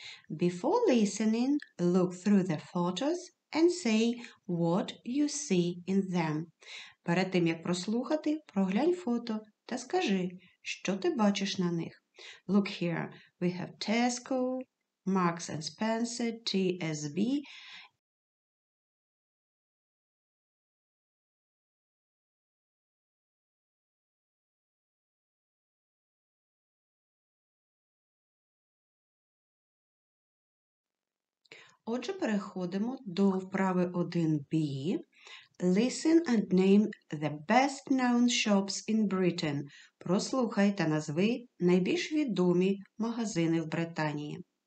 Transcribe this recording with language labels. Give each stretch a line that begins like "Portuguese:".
English: Before listening, look through the photos and say what you see in them.
Ukrainian: Перед тим, як прослухати, проглянь фото та скажи, що ти бачиш на них.
English: Look here, we have Tesco, Marks and Spencer, TSB.
Ukrainian: Отже, переходимо до вправи 1B.
English: Listen and name the best known shops in Britain.
Ukrainian: Прослухай та назви найбільш відомі магазини в Британії.